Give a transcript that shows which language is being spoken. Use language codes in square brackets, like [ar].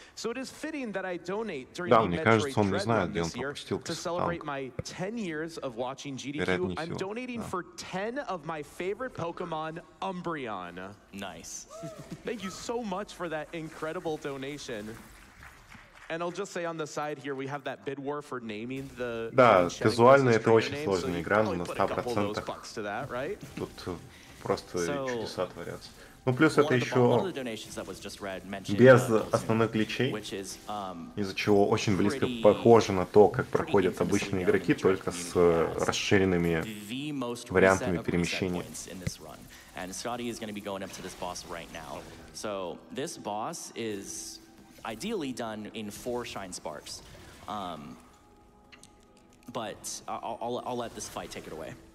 [en] So it is fitting that I donate during the Metroid Dread this year to celebrate my 10 years of watching GDQ. I'm donating for 10 of my favorite Pokemon, Umbreon. Nice. Thank you so much for that incredible donation. And I'll just say on the side here, we have that bid war for naming the... [ru] Да, визуально это очень сложная игра, но на 100%. Тут просто чудеса творятся. Ну плюс это еще без основных гличей, из-за чего очень близко похоже на то, как проходят обычные игроки, только с расширенными вариантами перемещения. [en] And Scotty is going to be going up to this boss right now. So this boss is... ideally done in 4 shine sparks, but I'll let this fight take it away.